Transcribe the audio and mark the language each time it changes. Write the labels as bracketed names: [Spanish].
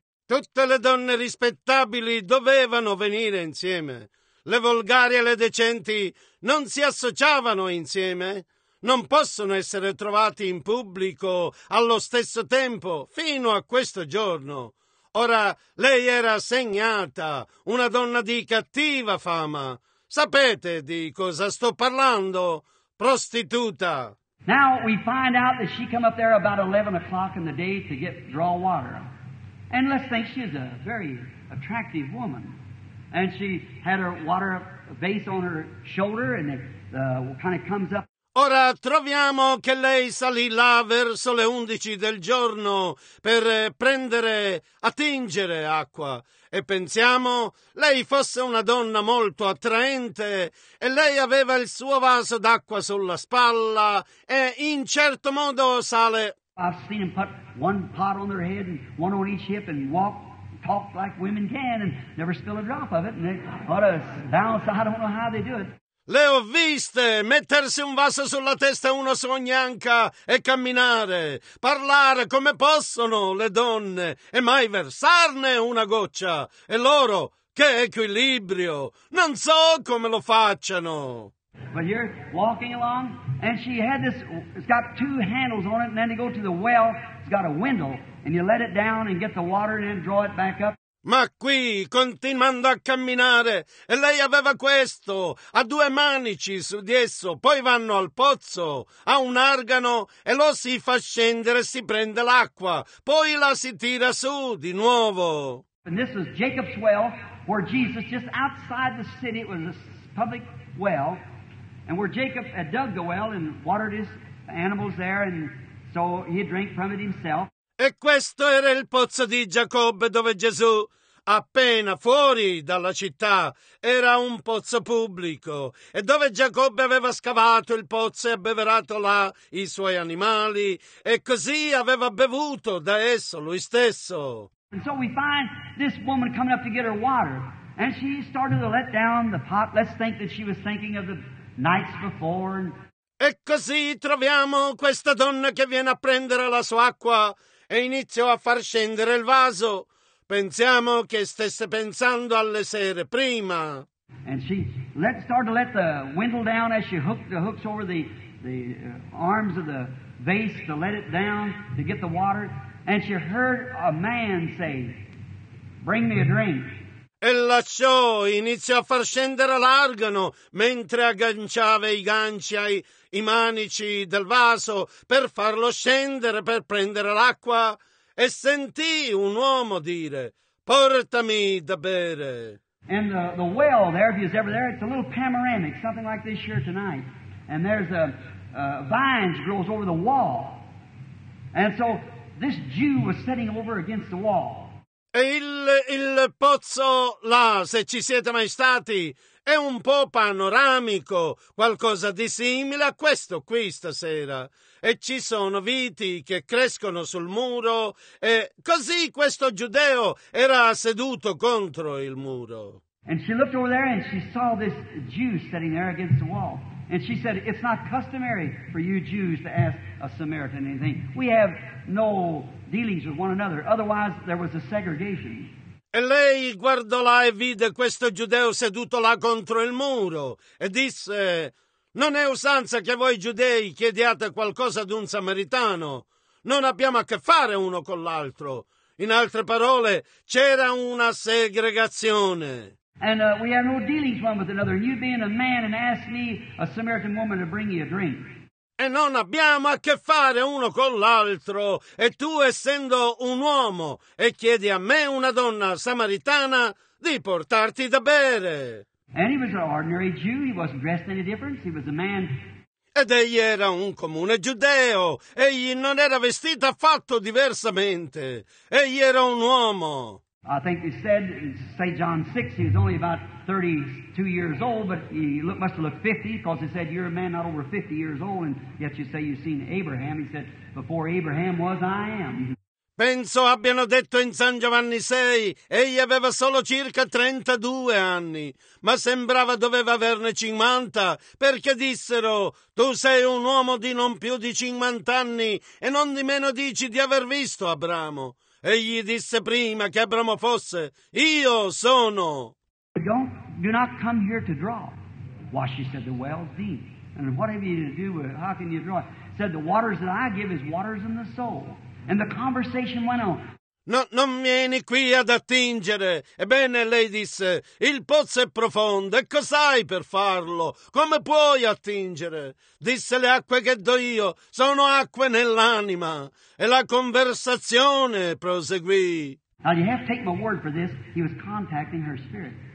[Italian] Tutte le donne rispettabili dovevano venire insieme. Le volgari e le decenti non si associavano insieme. Non possono essere trovati in pubblico allo stesso tempo fino a questo giorno. Ora, lei era segnata, una donna di cattiva fama. Sapete di cosa sto parlando? Prostituta. [English] Now we find out that she come up there about 11 o'clock in the day to get draw water. And let's think she's a very attractive woman. And she had her water vase on her shoulder and it kind of comes up. [Italian] Ora troviamo che lei salì là verso le 11 del giorno per prendere, attingere acqua. E pensiamo, lei fosse una donna molto attraente e lei aveva il suo vaso d'acqua sulla spalla e in certo modo sale. [English] I've seen them put one pot on their head and one on each hip and walk, talk like women can and never spill a drop of it. And they ought to bounce, I don't know how they do it. [Italian] Le ho viste mettersi un vaso sulla testa uno su ogni anca e camminare, parlare come possono le donne e mai versarne una goccia. E loro, che equilibrio! Non so come lo facciano. [English] But you're walking along and she had this, it's got two handles on it and then you go to the well, it's got a windle and you let it down and get the water and then draw it back up. [Italian] Ma qui, continuando a camminare, e lei aveva questo, ha due manici su di esso, poi vanno al pozzo, ha un argano, e lo si fa scendere e si prende l'acqua, poi la si tira su di nuovo. [English] And this was Jacob's well, where Jesus, just outside the city, it was a public well, and where Jacob had dug the well and watered his animals there, and so he drank from it himself. [Italian] E questo era il pozzo di Giacobbe dove Gesù, appena fuori dalla città, era un pozzo pubblico e dove Giacobbe aveva scavato il pozzo e abbeverato là i suoi animali e così aveva bevuto da esso lui stesso. [English] And so we find this woman coming up to get her water and she started to let down the pot. Let's think that she was thinking of the nights before. [Italian] E così troviamo questa donna che viene a prendere la sua acqua e iniziò a far scendere il vaso. Pensiamo che stesse pensando alle sere prima. [English] And she started to let the windle down as she hooked the hooks over the arms of the vase to let it down to get the water. And she heard a man say, "Bring me a drink." [Italian] E lasciò, iniziò a far scendere l'argano mentre agganciava i ganci ai, i manici del vaso per farlo scendere per prendere l'acqua e sentì un uomo dire: portami da bere. [English] And the well there, if he's ever there, it's a little panoramic, something like this here tonight. And there's a vines grows over the wall. And so this Jew was sitting over against the wall. [Italian] E il pozzo là, se ci siete mai stati, è un po' panoramico, qualcosa di simile a questo qui stasera. E ci sono viti che crescono sul muro, e così questo giudeo era seduto contro il muro. [English] And she looked over there and she saw this Jew sitting there against the wall. And she said, it's not customary for you Jews to ask a Samaritan anything. We have no dealings with one another. Otherwise, there was a segregation. [Italian] E lei guardò là e vide questo giudeo seduto là contro il muro e disse, non è usanza che voi giudei chiediate qualcosa ad un samaritano. Non abbiamo a che fare uno con l'altro. In altre parole, c'era una segregazione. [English] And we have no dealings one with another. And you being a man and ask me, a Samaritan woman, to bring you a drink. [Italian] E non abbiamo a che fare uno con l'altro. E tu, essendo un uomo, e chiedi a me, una donna samaritana, di portarti da bere. [English] And he was an ordinary Jew. He wasn't dressed any different. He was a man. [Italian] Ed egli era un comune giudeo. Egli non era vestito affatto diversamente. Egli era un uomo. [English] I think he said, St. John 6, he was only about 32 years old, but he must have looked 50, because he said, you're a man not over 50 years old, and yet you say you've seen Abraham. He said, before Abraham was, I am. [Italian] Penso abbiano detto in San Giovanni 6, egli aveva solo circa 32 anni, ma sembrava doveva averne 50, perché dissero, tu sei un uomo di non più di 50 anni, e non di meno dici di aver visto Abramo. Egli disse prima che Abramo fosse, io sono. [English] Do not come here to draw. Why, she said, the well is deep. And what have you to do with it? How can you draw? Said, the waters that I give is waters in the soul. And the conversation went on. [Italian] No, non vieni qui ad attingere. Ebbene, lei disse, il pozzo è profondo. E cos'hai per farlo? Come puoi attingere? Disse, le acque che do io sono acque nell'anima. E la conversazione proseguì. [English] Now you have to take my word for this. He was contacting her spirit.